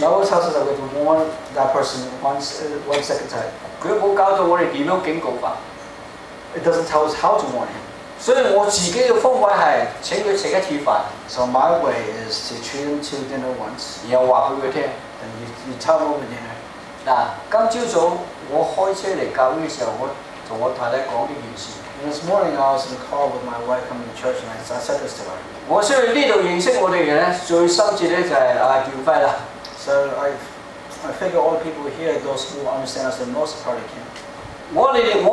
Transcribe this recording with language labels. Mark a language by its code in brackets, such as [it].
[en] Bible tells us that we can warn that person one second time. [yue] 佢冇教到我哋點樣警告法。 [en] It doesn't tell us how to warn him. [yue] 所以我自己嘅方法係請佢食一次飯。 [en] So my way is to treat him to dinner once. [yue] 然後話俾佢聽。 [en] You tell him over dinner. [yue] 嗱，今朝早我開車嚟教會嘅時候，我同我太太講呢件事。 [en] This morning I was in the car with my wife coming to church and I said this to her. [yue] 我需要呢度認識我哋嘅咧，最深切咧就係阿建輝啦。 [en] So I figure all the people here, those who understand us the most, probably can.